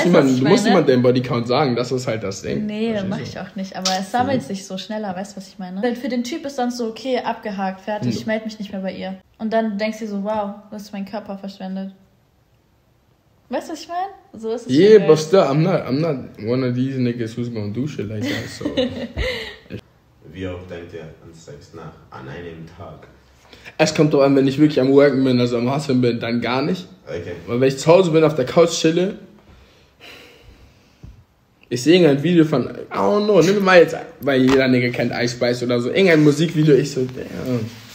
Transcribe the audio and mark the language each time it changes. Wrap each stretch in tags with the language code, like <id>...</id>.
<de>Sonst die Bodycounts sammeln sich. Du musst niemandem den Bodycount sagen, das ist halt das Ding. Nee, das mach ich auch nicht. Aber es sammelt sich so schneller, weißt du, was ich meine? Für den Typ ist sonst so, okay, abgehakt, fertig, ich melde mich nicht mehr bei ihr. Und dann denkst du so, wow, du hast meinen Körper verschwendet. Weißt du, was ich meine? So ist es.</de> <en>Yeah, but still, I'm not one of these niggas who's gonna douche like that, so.</en> <de>Wie oft denkt ihr an Sex nach an einem Tag? Es kommt doch an, wenn ich wirklich am Worken bin, also am Hustlen bin, dann gar nicht. Okay. Weil wenn ich zu Hause bin, auf der Couch chille, ich sehe irgendein Video von,</de> <en>oh no,</en> <de>nimm mal jetzt, weil jeder Nigga kennt Ice Spice oder so, irgendein Musikvideo, ich so, damn.</de>